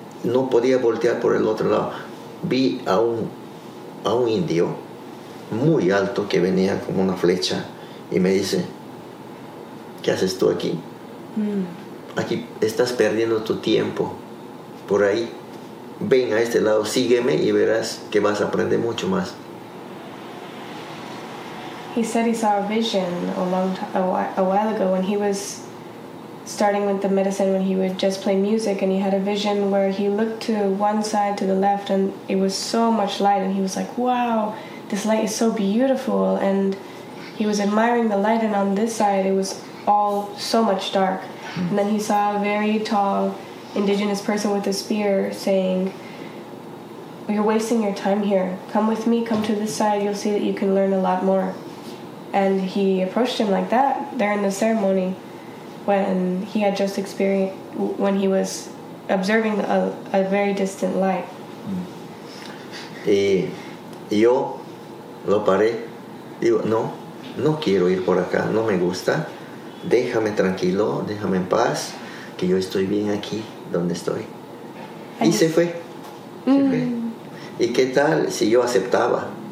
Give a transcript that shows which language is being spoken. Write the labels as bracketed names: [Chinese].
[Spanish] No podía voltear por el otro lado. Vi a un indio muy alto que venía como una flecha y me dice, ¿qué haces tú aquí? Aquí estás perdiendo tu tiempo. Por ahí, ven a este lado, sígueme y verás que vas a aprender mucho más. [English] He said he saw a vision a while ago when he was starting with the medicine, when he would just play music, and he had a vision where he looked to one side, to the left, and it was so much light, and he was like, wow, this light is so beautiful, and he was admiring the light, and on this side it was all so much dark. And then he saw a very tall indigenous person with a spear saying, you're wasting your time here. Come with me, come to this side, you'll see that you can learn a lot more. And he approached him like that there in the ceremony when he had just experienced, when he was observing a very distant light. [Spanish] Y yo lo paré. Digo, no, no quiero ir por acá, no me gusta. Déjame tranquilo, déjame en paz, que yo estoy bien aquí. ¿Dónde estoy? Y se fue. ¿Y qué tal si yo aceptaba?